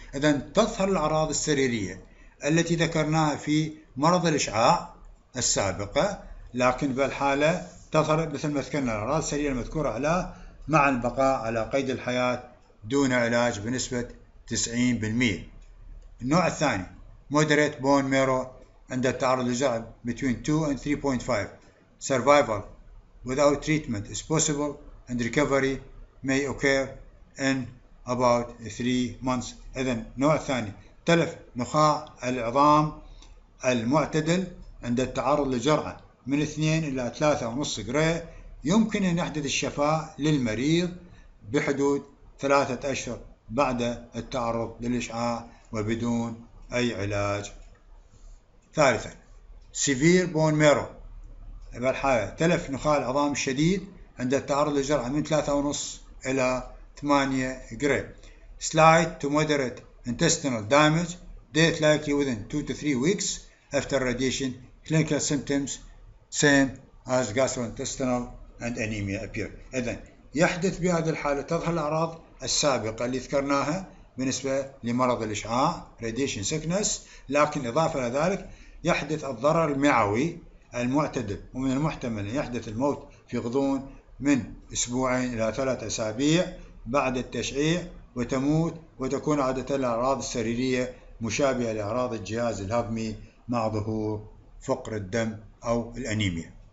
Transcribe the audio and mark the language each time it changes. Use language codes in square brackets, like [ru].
[ar] إذن تظهر الأعراض السريرية التي ذكرناها في مرض الإشعاع السابقة، لكن في الحالة تظهر مثل ما ذكرنا الأعراض السريرية المذكورة على مع البقاء على قيد الحياة دون علاج بنسبة 90%. النوع الثاني [en] moderate bone marrow [ar] عند التعرض للجرعة [en] between 2 and 3.5. Survival without treatment is possible and recovery may occur in about 3 months. [ar] إذن نوع ثاني تلف نخاع العظام المعتدل عند التعرض لجرعة من 2 إلى 3.5 جراي يمكن أن يحدث الشفاء للمريض بحدود 3 أشهر بعد التعرض للإشعاع وبدون أي علاج. ثالثا [en] Severe bone marrow [ar] بالحالة تلف نخاع العظام الشديد عند التعرض لجرعة من 3.5 إلى 8 جراي. [en] Slight to moderate intestinal damage, death likely within 2 to 3 weeks after radiation. Clinical symptoms same as gastrointestinal and anemia appear. [ar] إذن يحدث بهذه الحالة تظهر الأعراض السابقة اللي ذكرناها بالنسبة لمرض الإشعاع radiation sickness، لكن إضافة لذلك يحدث الضرر المعوي المعتدل، ومن المحتمل أن يحدث الموت في غضون من 2 إلى 3 أسابيع بعد التشعيع، وتموت وتكون عادة الأعراض السريرية مشابهة لأعراض الجهاز الهضمي مع ظهور فقر الدم أو الأنيميا.